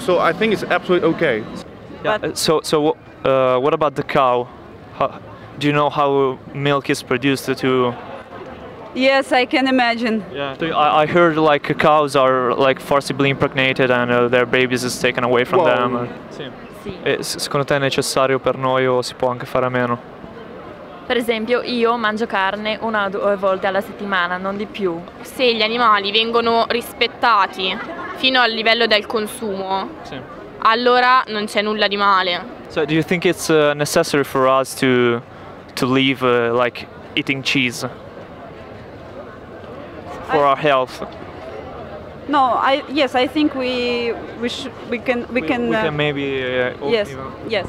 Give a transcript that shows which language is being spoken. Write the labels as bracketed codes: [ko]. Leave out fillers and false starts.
[en] So I think it's absolutely okay. Yeah. So what about the cow? Do you know how milk is produced to? Yes, I can imagine. Yeah, I heard like cows are like forcibly impregnated and their babies is taken away from them. [it] Sì. Secondo te è necessario per noi o si può anche fare a meno? Per esempio, io mangio carne una o due volte alla settimana, non di più. Se gli animali vengono rispettati fino al livello del consumo, allora non c'è nulla di male. [en] So do you think it's necessary for us to leave like eating cheese for our health? No, I think we can maybe yes, even. Yes.